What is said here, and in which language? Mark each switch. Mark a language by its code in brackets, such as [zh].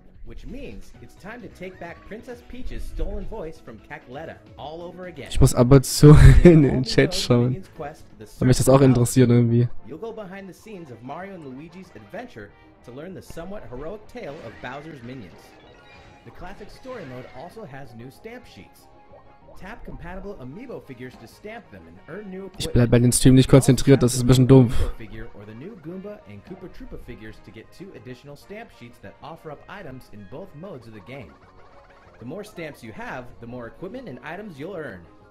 [en] Which means it's time to take back Princess Peach's stolen voice from Cacletta all over again. [de] Ich muss aber zu in den Chat schauen. Weil mich das auch interessiert irgendwie. [en] You'll go behind the scenes of Mario & Luigi's adventure to learn the somewhat heroic tale of Bowser's minions. The classic story mode also has new stamp sheets. Tap compatible amiibo figures to stamp them and earn new equipment. [de] Ich bleib bei den Stream nicht konzentriert, das ist ein bisschen dumpf. [en] Figure or the new Goomba and Koopa Troopa figures to get two additional stamp sheets that offer up items in both modes of the game. The more stamps you have, the more equipment and items you'll earn.